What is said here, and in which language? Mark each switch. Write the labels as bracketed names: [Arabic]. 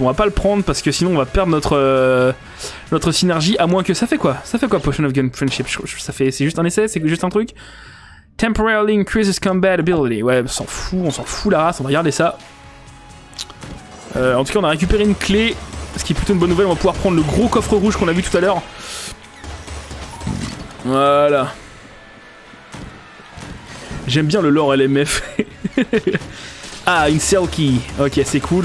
[French] On va pas le prendre parce que sinon on va perdre notre synergie, à moins que... Ça fait quoi? Ça fait quoi Potion of Gun Friendship? C'est juste un essai? C'est juste un truc? [English] Temporarily increases combat ability. [French] Ouais, on s'en fout la race, on va regarder ça. En tout cas, on a récupéré une clé, ce qui est plutôt une bonne nouvelle. On va pouvoir prendre le gros coffre rouge qu'on a vu tout à l'heure. Voilà. J'aime bien le lore LMF. Ah, une selkie. Ok, c'est cool.